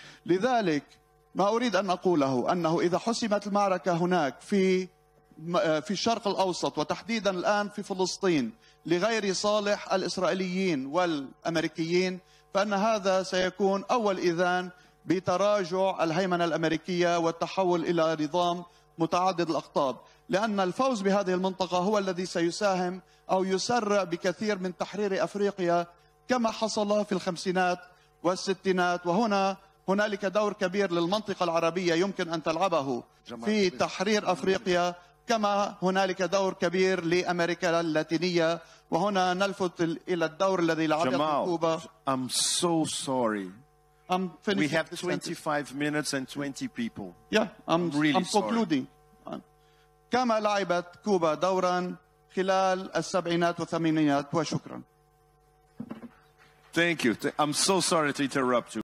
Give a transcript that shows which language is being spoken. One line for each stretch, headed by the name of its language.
Arabic: لذلك ما أريد أن أقوله أنه إذا حسمت المعركة هناك في الشرق الأوسط وتحديدا الآن في فلسطين لغير صالح الإسرائيليين والأمريكيين، فأن هذا سيكون أول إذان بتراجع الهيمنة الأمريكية والتحول إلى نظام متعدد الأقطاب، لأن الفوز بهذه المنطقة هو الذي سيساهم أو يسرع بكثير من تحرير أفريقيا كما حصل في الخمسينات والستينات. وهنا هنالك دور كبير للمنطقة العربية يمكن أن تلعبه في تحرير أفريقيا، كما هنالك دور كبير لأمريكا اللاتينية. وهنا نلفت إلى الدور الذي لعبه كوبا.
English: I'm so sorry. I'm finished. We have 25 minutes and 20 people. Yeah, I'm really sorry. Concluding.
Arabic: كما لعبت كوبا دورا خلال السبعينات والثمانينات، وشكرا.
English: Thank you. I'm so sorry to interrupt you.